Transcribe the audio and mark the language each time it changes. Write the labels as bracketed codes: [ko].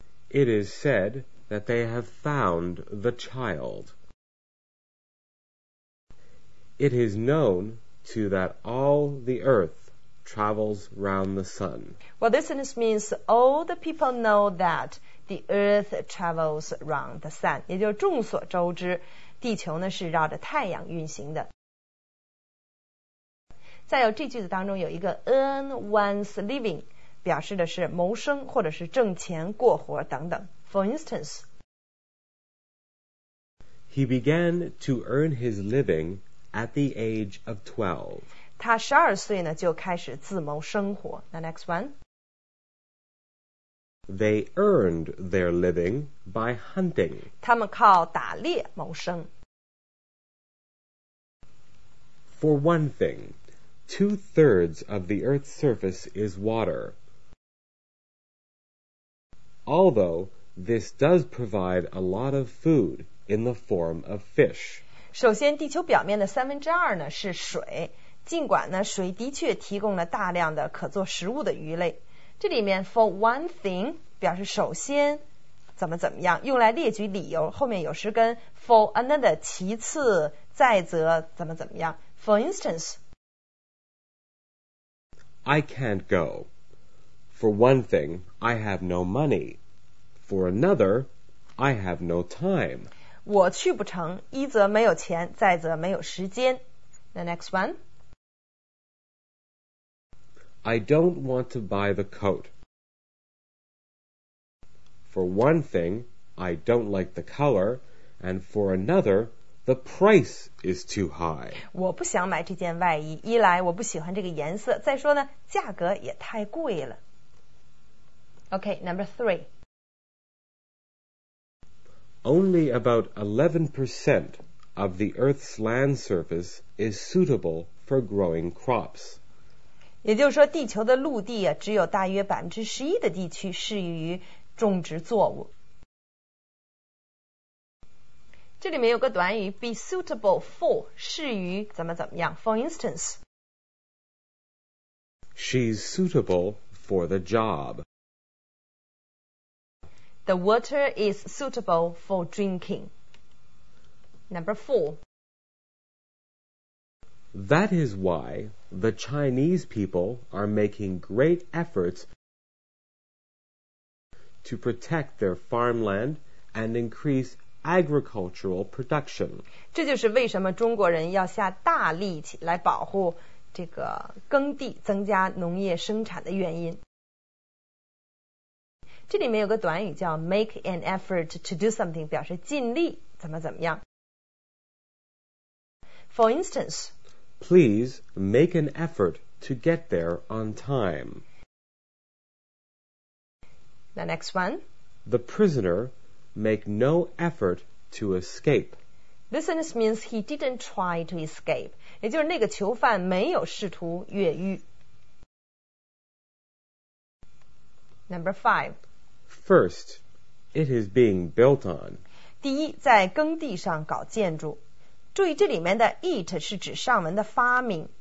[en] It is said that they have found the child. It is knownto that all the earth travels round the sun. Well, this sentence means all the people know that the earth travels round the sun. [zh] 也就是众所周知，地球呢是绕着太阳运行的。再有这句子当中有一个 [en] earn one's living, [zh] 表示的是谋生或者是挣钱过活等等。 [en] For instance, he began to earn his living at the age of 12. [zh] 他十二岁呢就开始自谋生活。 [en] The next one. They earned their living by hunting. [zh] 他们靠打猎谋生。 [en] For one thing, two-thirds of the Earth's surface is water. Although, this does provide a lot of food in the form of fish. [zh] 首先地球表面的三分之二呢是水，尽管呢水的确提供了大量的可做食物的鱼类。这里面 [en] for one thing [zh] 表示首先怎么怎么样，用来列举理由，后面有时跟 [en] for another [zh] 其次再则怎么怎么样。 [en] For instance, I can't go. For one thing, I have no money. For another, I have no time. [zh] 我去不成，一则没有钱，再则没有时间。 [en] The next one. I don't want to buy the coat. For one thing, I don't like the color, and for another,The price is too high. [zh] 我不想买这件外衣，一来我不喜欢这个颜色，再说呢，价格也太贵了。 [en] Okay, number three. Only about 11% of the Earth's land surface is suitable for growing crops. [zh] 也就是说，地球的陆地啊，只有大约11%的地区适于种植作物。这里面有个短语 [en] be suitable for [zh] 适于怎么怎么样 [en] for instance she's suitable for the job the water is suitable for drinking number four that is why the Chinese people are making great efforts to protect their farmland and increaseagricultural production. [zh] 这就是为什么中国人要下大力气来保护这个耕地，增加农业生产的原因。这里面有个短语叫 [en] make an effort to do something, [zh] 表示尽力怎么怎么样。 [en] For instance, Please make an effort to get there on time. The next one. The prisonermake no effort to escape. This sentence means he didn't try to escape. [zh] 也就是那个囚犯没有试图越狱。 [en] Number five. First, it is being built on. [zh] 第一，在耕地上搞建筑。注意这里面的 it 是指上文的发明。